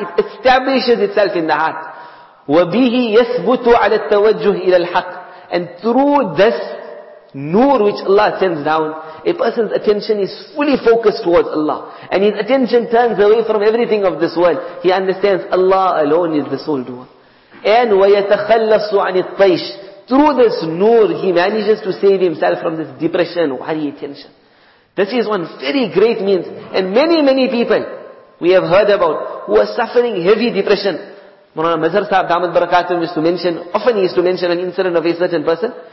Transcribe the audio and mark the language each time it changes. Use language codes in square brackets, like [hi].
[en] It establishes itself in the heart. [ar] وَبِهِ يَثْبُتُ عَلَى التَّوَجُّهِ إِلَى الْحَقِّ [en] And through this nur which Allah sends down, a person's attention is fully focused towards Allah. And his attention turns away from everything of this world. He understands Allah alone is the sole doer. [ar] and وَيَتَخَلَّصُ عَنِ الطَّيْشِ. [en] Through this nur, he manages to save himself from this depression, worry, tension. This is one very great means. And many, many people we have heard about who are suffering heavy depression. Murana Mazhar Sahib Damat Barakatum used to mention, often he used to mention an incident of a certain person.